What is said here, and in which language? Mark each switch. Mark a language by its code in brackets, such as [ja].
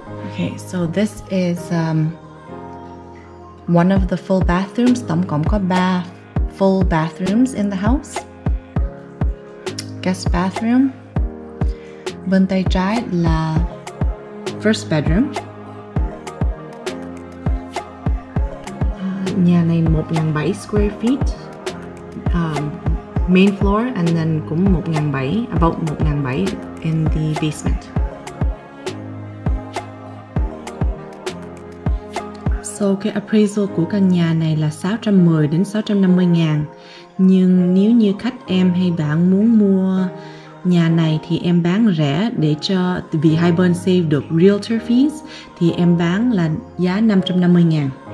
[en] Okay, so this is one of the full bathrooms. [vi] Tổng cộng có ba [en] full bathrooms in the house. Guest bathroom. [vi] Bên tay trái là [en] first bedroom. [vi] Nhà này 1,700 [en] square feet. Main floor and then [vi] cũng [en] 1,700, about 1,700 in the basement. [vi] So cái appraisal của căn nhà này là 610 đến 650 ngàn. Nhưng nếu như khách em hay bạn muốn mua nhà này thì em bán rẻ để cho, vì hai bên [en] save [vi] được realtor fees, thì em bán là giá 550 ngàn.